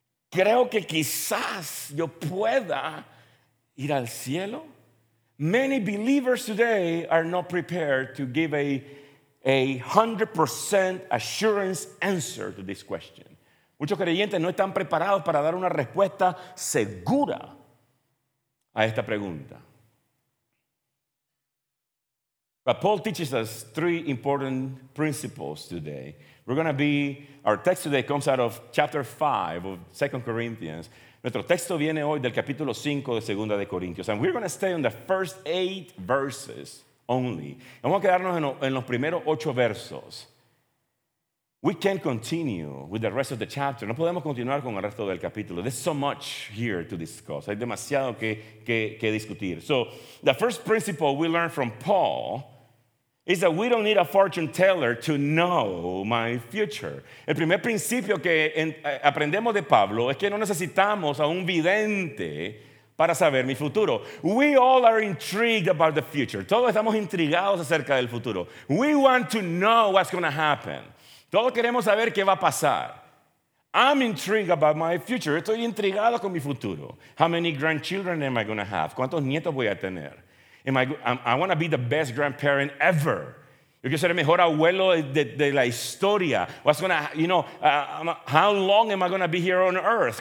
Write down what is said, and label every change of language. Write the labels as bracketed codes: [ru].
[es] Creo que quizás yo pueda ir al cielo. [en] Many believers today are not prepared to give a 100% assurance answer to this question. [es] Muchos creyentes no están preparados para dar una respuesta segura a esta pregunta. [en] But Paul teaches us three important principles today. We're going to be, our text today comes out of chapter 5 of 2 Corinthians. [es] Nuestro texto viene hoy del capítulo 5 de 2 Corintios. [en] And we're going to stay on the first 8 verses only. [es] Vamos a quedarnos en los primeros 8 versos. [en] We can't continue with the rest of the chapter. [es] No podemos continuar con el resto del capítulo. [en] There's so much here to discuss. [es] Hay demasiado que discutir. [en] So the first principle we learn from Paul is that we don't need a fortune teller to know my future. [es] El primer principio que aprendemos de Pablo es que no necesitamos a un vidente para saber mi futuro. [en] We all are intrigued about the future. [es] Todos estamos intrigados acerca del futuro. [en] We want to know what's going to happen. [es] Todos queremos saber qué va a pasar. [en] I'm intrigued about my future. [es] Estoy intrigado con mi futuro. [en] How many grandchildren am I going to have? [es] ¿Cuántos nietos voy a tener? [en] I want to be the best grandparent ever. [es] Yo quiero ser el mejor abuelo de la historia. [en] What's going to, you know, how long am I going to be here on earth?